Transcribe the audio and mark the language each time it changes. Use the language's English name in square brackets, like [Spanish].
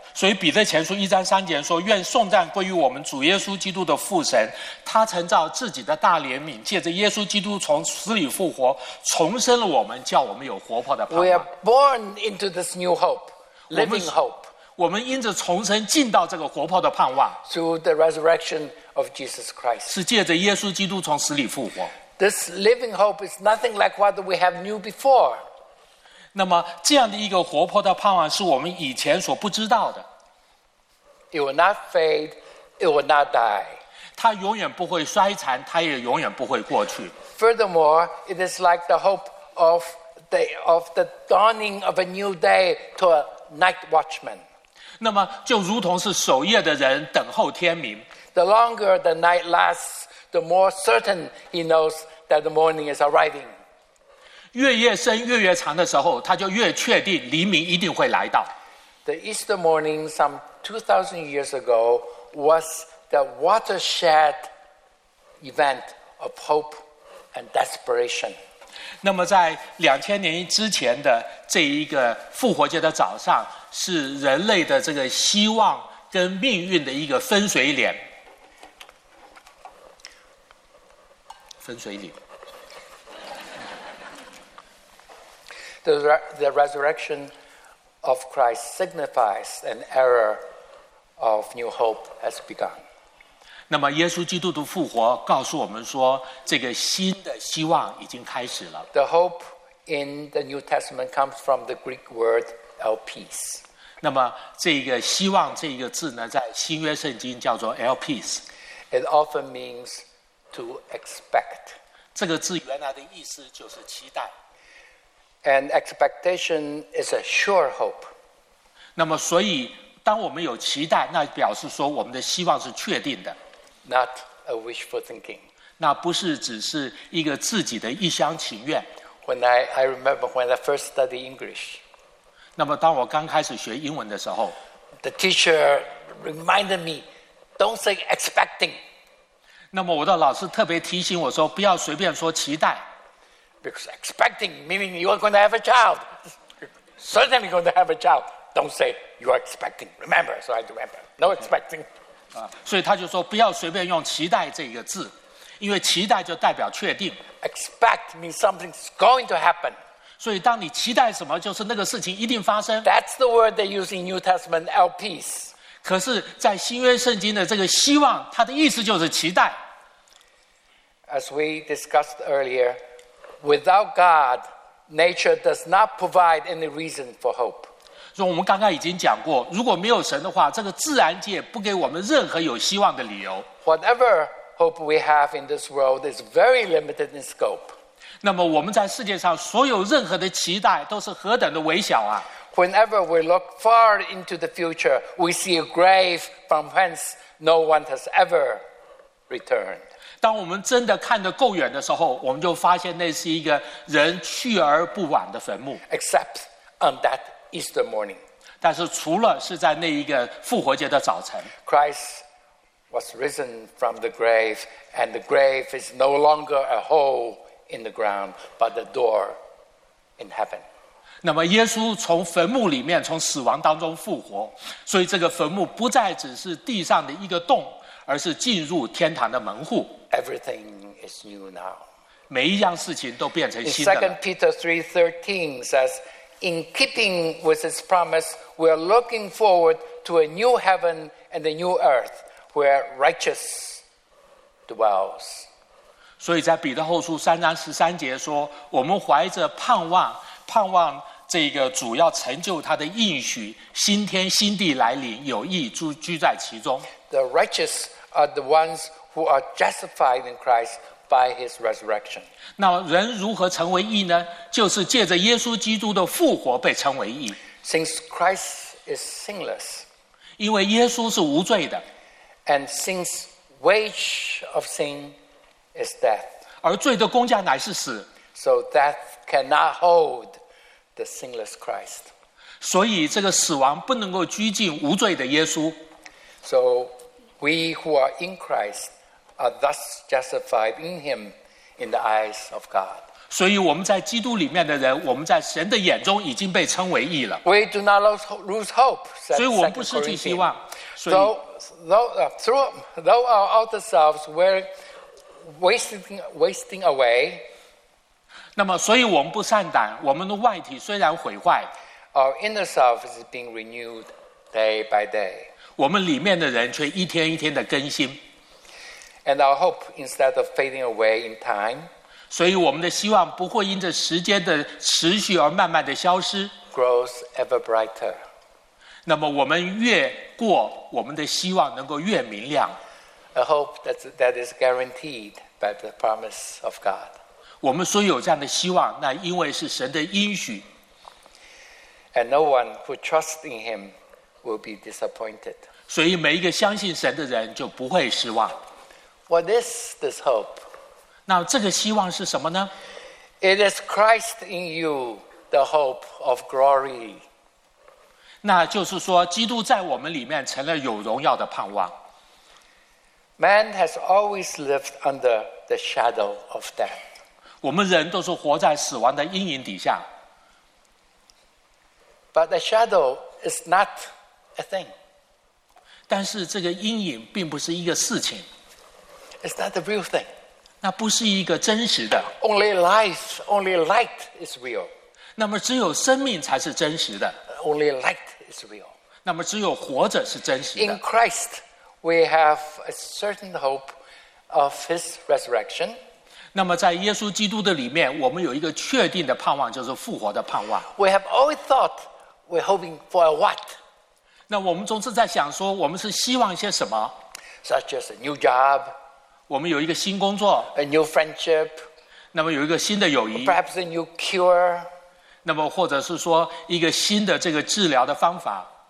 [Chinese] 所以彼得前书一章三节说，愿颂赞归于我们主耶稣基督的父神，他曾照自己的大怜悯，借着耶稣基督从死里复活，重生了我们，叫我们有活泼的盼望。 [English] We are born into this new hope, living hope. [Chinese] 我们因着重生进到这个活泼的盼望。 [English] Through the resurrection of Jesus Christ. [Chinese] 是借着耶稣基督从死里复活。 [English] This living hope is nothing like what we have knew before. [Chinese] 那么这样的一个活泼的盼望是我们以前所不知道的。 [English] It will not fade, it will not die. [Chinese] 它永远不会衰残，它也永远不会过去。 [English] Furthermore, it is like the hope of the dawning of a new day to a night watchman. [Chinese] 那么就如同是守夜的人等候天明。 [English] The longer the night lasts, the more certain he knows that the morning is arriving. [Chinese] 越夜深越越长的时候，他就越确定黎明一定会来到。 [English] The Easter morning some 2,000 years ago was the watershed event of hope and desperation. [Chinese] 那么在2000年之前的这一个复活节的早上，是人类的这个希望跟命运的一个分水岭。分水岭。 [English] The resurrection of Christ signifies an era of new hope has begun. [Chinese] 那么耶稣基督的复活告诉我们说，这个新的希望已经开始了。 [English] The hope in the New Testament comes from the Greek word elpis. [Chinese] 那么这个希望这个字呢，在新约圣经叫做 elpis。 [English] It often means to expect. [Chinese] 这个字原来的意思就是期待。 [English] And expectation is a sure hope. [Chinese] 那么所以当我们有期待，那表示说我们的希望是确定的。 [English] Not a wishful thinking. [Chinese] 那不是只是一个自己的一厢情愿。 [English] When I remember when I first studied English. [Chinese] 那么当我刚开始学英文的时候 [English] ，The teacher reminded me, "Don't say expecting." [Chinese] 那么我的老师特别提醒我说，不要随便说期待。 [English] Because expecting meaning you are going to have a child. Certainly going to have a child. Don't say you are expecting. Remember, so I remember. No expecting. [Chinese] 所以他就说不要随便用期待这个字，因为期待就代表确定。 [English] Expect means something is going to happen. [Chinese] 所以当你期待什么，就是那个事情一定发生。 [English] That's the word they use in New Testament, elpis. [Chinese] 可是在新约圣经的这个希望，它的意思就是期待。 [English] As we discussed earlier,Without God, nature does not provide any reason for hope. [Chinese] 所以我们刚刚已经讲过，如果没有神的话，这个自然界不给我们任何有希望的理由。 [English] Whatever hope we have in this world is very limited in scope. [Chinese] 那么我们在世界上所有任何的期待都是何等的微小啊！ [English] Whenever we look far into the future, we see a grave from whence no one has ever returned. [Chinese] 当我们真的看得够远的时候，我们就发现那是一个人去而不晚的坟墓。 [English] Except on that Easter morning. [Chinese] 但是除了是在那一个复活节的早晨。 [English] Christ was risen from the grave, and the grave is no longer a hole in the ground, but a door in heaven. [Chinese] 那么耶稣从坟墓里面，从死亡当中复活，所以这个坟墓不再只是地上的一个洞，而是进入天堂的门户。 [English] Everything is new now. [Chinese] 每一样事情都变成新的了。 [English] Second Peter 3:13 says, "In keeping with his promise, we are looking forward to a new heaven and a new earth where righteous dwells." [Chinese] 所以在彼得后书3:13说，我们怀着盼望，盼望这个主要成就他的应许，新天新地来临，有义居在其中。 [English] The righteous are the ones. Who are justified in Christ by His resurrection? [Chinese] 那人如何成为义呢？就是借着耶稣基督的复活被称为义。 [English] Since Christ is sinless, [Chinese] 因为耶稣是无罪的。 [English] And since wage of sin is death, [Chinese] 而罪的工价乃是死。 [English] So death cannot hold the sinless Christ. [Chinese] 所以这个死亡不能够拘禁无罪的耶稣。 [English] So. We who are in Christ are thus justified in Him in the eyes of God. [Chinese] 所以我们在基督里面的人，我们在神的眼中已经被称为义了。 [English] We do not lose hope. [Chinese] 所以我们不失去希望。 [English] Though our outer selves were wasting away, [Chinese] 那么所以我们不善胆，我们的外体虽然毁坏， [English] our inner self is being renewed day by day. [Chinese] 我们里面的人却一天一天的更新。 [English] And our hope, instead of fading away in time, [Chinese] 所以我们的希望不会因着时间的持续而慢慢的消失。 [English] Grows ever brighter. [Chinese] 那么我们越过，我们的希望能够越明亮。 [English] A hope that is guaranteed by the promise of God. [Chinese] 我们所有这样的希望，那因为是神的应许。 [English] And no one who trusts in Him. Will be disappointed. [Chinese] 所以每一个相信神的人就不会失望。 [English] What is this hope? [Chinese] 那这个希望是什么呢？ [English] It is Christ in you, the hope of glory. [Chinese] 那就是说，基督在我们里面成了有荣耀的盼望。 [English] Man has always lived under the shadow of death. [Chinese] 我们人都是活在死亡的阴影底下。 [English] But the shadow is not. A thing. [Chinese] 但是这个阴影并不是一个事情。 [English] It's not a real thing. [Chinese] 那不是一个真实的。 [English] Only life, only light is real. [Chinese] 那么只有生命才是真实的。 [English] Only light is real. [Chinese] 那么只有活着是真实的。 [English] In Christ, we have a certain hope of His resurrection. [Chinese] 那么在耶稣基督的里面，我们有一个确定的盼望，就是复活的盼望。 [English] We have always thought we're hoping for what? [Chinese] 那我们总是在想说，我们是希望一些什么 [English] ？Such as a new job. [Chinese] 我们有一个新工作。 [English] A new friendship. [Chinese] 那么有一个新的友谊。 [English] Perhaps a new cure. [Chinese] 那么或者是说一个新的这个治疗的方法。